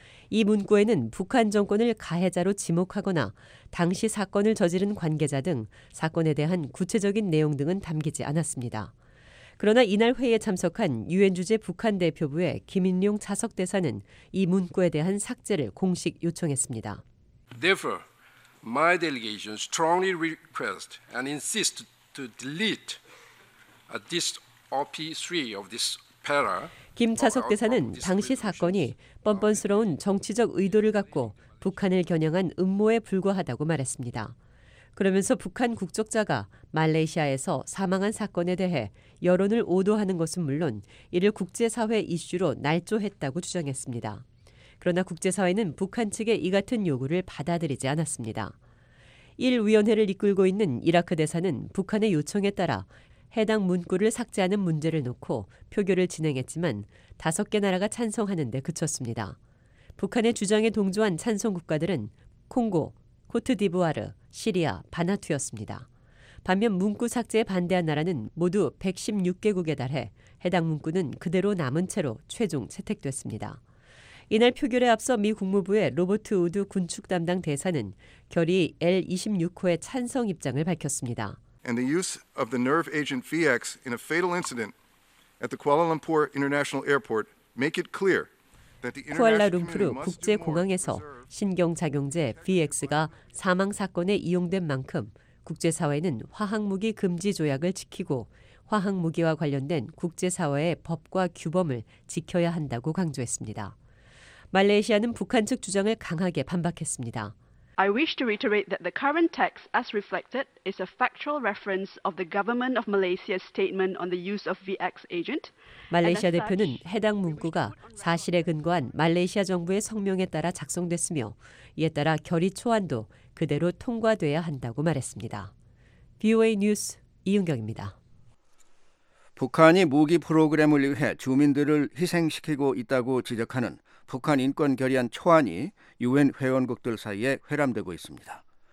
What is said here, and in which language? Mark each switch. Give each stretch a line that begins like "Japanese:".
Korean: 이 문구에는 북한 정권을 가해자로 지목하거나 당시 사건을 저지른 관계자 등 사건에 대한 구체적인 내용 등은 담기지 않았습니다. 그러나 이날 회의에 참석한 유엔 주재 북한 대표부의 김인룡 차석 대사는 이 문구에 대한 삭제를 공식 요청했습니다.
English: Therefore, my delegation strongly requests and insists to delete this OP3 of this para.
Korean: 김 차석 대사는 당시 사건이 뻔뻔스러운 정치적 의도를 갖고 북한을 겨냥한 음모에 불과하다고 말했습니다. 그러면서 북한 국적자가 말레이시아에서 사망한 사건에 대해 여론을 오도하는 것은 물론 이를 국제사회 이슈로 날조했다고 주장했습니다. 그러나 국제사회는 북한 측의 이 같은 요구를 받아들이지 않았습니다. 일 위원회를 이끌고 있는 이라크 대사는 북한의 요청에 따라 해당 문구를 삭제하는 문제를 놓고 표결을 진행했지만 다섯 개 나라가 찬성하는 데 그쳤습니다. 북한의 주장에 동조한 찬성 국가들은 콩고, 코트디부아르, 시리아, 바나투였습니다. 반면 문구 삭제에 반대한 나라는 모두 116개국에 달해 해당 문구는 그대로 남은 채로 최종 채택됐습니다. 이날 표결에 앞서 미 국무부의 로버트 우드 군축 담당 대사는 결의 L26호의 찬성 입장을 밝혔습니다.
English: And the use of the nerve agent VX in a fatal incident at the Kuala Lumpur International Airport make it clear that the international community must
Korean: 국제공항에서 신경작용제 VX가 사망 사건에 이용된 만큼 국제사회는 화학무기 금지 조약을 지키고 화학무기와 관련된 국제사회의 법과 규범을 지켜야 한다고 강조했습니다. 말레이시아는 북한 측 주장을 강하게 반박했습니다.
English: I wish to reiterate that the current text as reflected is a factual reference of the government of Malaysia's statement on the use of VX agent.
Korean: 말레이시아 대표는 해당 문구가 사실에 근거한 말레이시아 정부의 성명에 따라 작성됐으며 이에 따라 결의 초안도 그대로 통과돼야 한다고 말했습니다. VOA 뉴스 이은경입니다. 북한이 무기 프로그램을 위해 주민들을 희생시키고 있다고 지적하는 북한 인권 결의안 초안이 유엔 회원국들 사이에 회람되고 있습니다.